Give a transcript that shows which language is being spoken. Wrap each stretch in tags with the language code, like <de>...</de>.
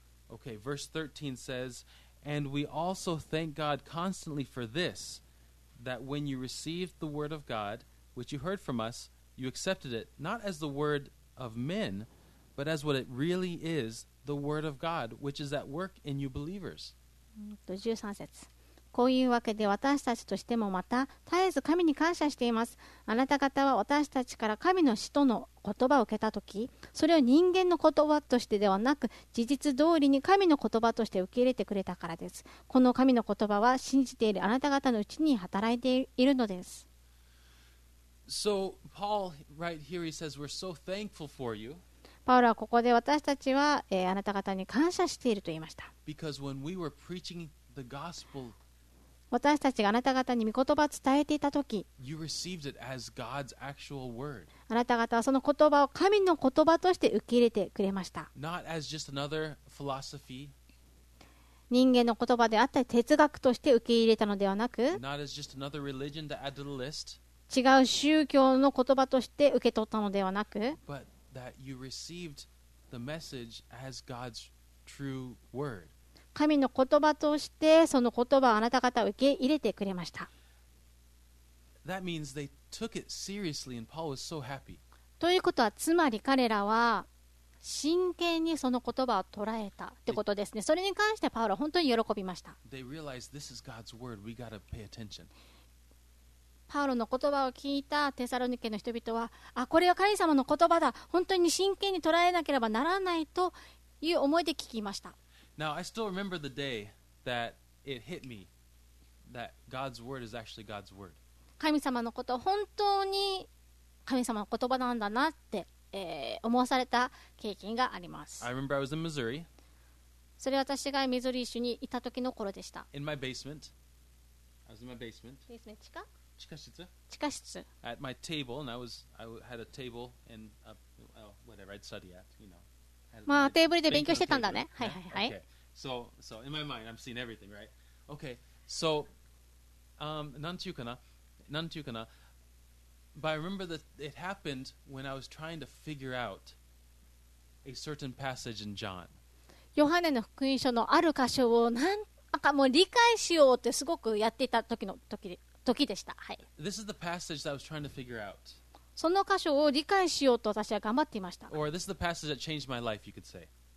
<en>Okay, verse 13 says, And we also thank God constantly for this, that when you received the word of God, which you heard from us, you accepted it, not as the word of men, but as what it really is, the word of God, which is at work in you believers.</en> <ja>13節。こういうわけで私たちとしてもまた、絶えず神に感謝しています。あなた方は私たちから神の使徒の言葉を受けたとき、それを人間の言葉としてではなく、事実通りに神の言葉として受け入れてくれたからです。この神の言葉は信じているあなた方のうちに働いているのです。</ja> <en>So, Paul, right here, he says, we're so thankful for you.</en> <ja>パウロはここで私たちは、あなた方に感謝していると言いました。</ja> <en>Because when we were preaching the gospel,</en> <ja>私たちがあなた方に御言葉を伝えていたとき、</ja> <en>you received it as God's actual word.</en> <ja>あなた方はその言葉を神の言葉として受け入れてくれました。</ja> <en>Not as just another philosophy.</en> <ja>人間の言葉であったり哲学として受け入れたのではなく、</ja> <en>Not as just another religion to add to the list.</en> <ja>違う宗教の言葉として受け取ったのではなく、</ja> <en>But that you received the message as God's true word.</en> <ja>神の言葉としてその言葉をあなた方は受け入れてくれました。</ja> <en>That means they took it seriously, and Paul was so happy.</en> <ja>ということはつまり彼らは真剣にその言葉を捉えたってことですね。それに関してパウロは本当に喜びました。</ja> <en>They realized this is God's word. We gotta pay attention.</en> <ja>パウロの言葉を聞いたテサロニケの人々は、あ、これは神様の言葉だ。本当に真剣に捉えなければならないという思いで聞きました。</ja> <en>Now I still remember the day that it hit me that God's word is actually God's word.</en> <ja>神様のこと本当に神様の言葉なんだなって、思わされた経験があります。</ja> <en>I remember I was in Missouri.</en> <ja>それは私がミズリー州にいた時の頃でした。</ja> <en>In my basement. I was in my basement.</en> <ja>Basement, 地下？地下室？地下室。</ja> <en>At my table, and I had a table and a, well, whatever I'd study at, you know.</en> <ja>まあテーブルで勉強してたんだね。はいはいはい。</ja> <en>So in my mind, I'm seeing everything, right? Okay.</en> <ja>So, なんていうかな、なんていうかな。</ja> <en>But I remember that it happened when I was trying to figure out a certain passage in John.</en> <ja>ヨハネの福音書のある箇所をなんかもう理解しようってすごくやっていた時でした、はい、</ja> <en>This is the passage that I was trying to figure out.</en> <ja>その箇所を理解しようと私は頑張っていました。</ja> <en>Or this is the passage that changed my life, you could say.</en>